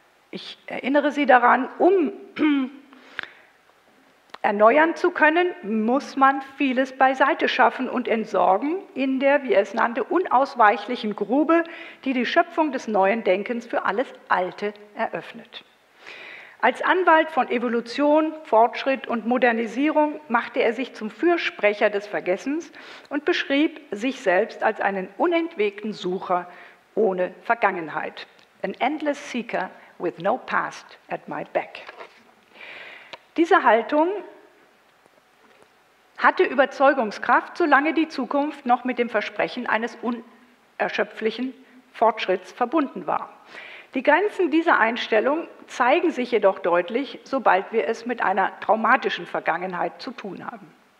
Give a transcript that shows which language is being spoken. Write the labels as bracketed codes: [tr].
[de] Ich erinnere Sie daran, um erneuern zu können, muss man vieles beiseite schaffen und entsorgen in der, wie er es nannte, unausweichlichen Grube, die die Schöpfung des neuen Denkens für alles Alte eröffnet. Als Anwalt von Evolution, Fortschritt und Modernisierung machte er sich zum Fürsprecher des Vergessens und beschrieb sich selbst als einen unentwegten Sucher ohne Vergangenheit. [en] An endless seeker with no past at my back. [de] Diese Haltung hatte Überzeugungskraft, solange die Zukunft noch mit dem Versprechen eines unerschöpflichen Fortschritts verbunden war. Die Grenzen dieser Einstellung zeigen sich jedoch deutlich, sobald wir es mit einer traumatischen Vergangenheit zu tun haben.